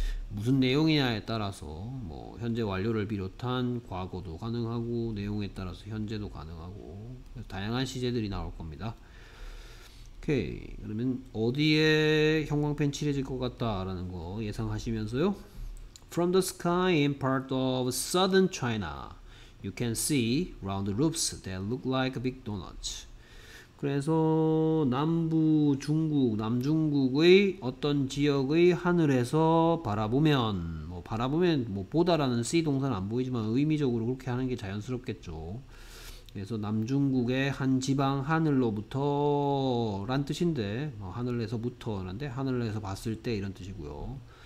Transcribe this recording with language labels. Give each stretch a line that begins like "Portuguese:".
Korean: 무슨 내용이냐에 따라서 뭐 현재 완료를 비롯한 과거도 가능하고 내용에 따라서 현재도 가능하고 다양한 시제들이 나올 겁니다. 오케이. 그러면 어디에 형광펜 칠해질 것 같다라는 거 예상하시면서요.
English: From the sky in part of southern China, you can see round roofs that look like big donuts.
Korean: 그래서 남부 중국, 남중국의 어떤 지역의 하늘에서 바라보면, 뭐 바라보면 뭐 보다라는 C 동사는 안 보이지만 의미적으로 그렇게 하는 게 자연스럽겠죠. 그래서 남중국의 한 지방 하늘로부터 란 뜻인데, 하늘에서부터란데 하늘에서 봤을 때 이런 뜻이고요.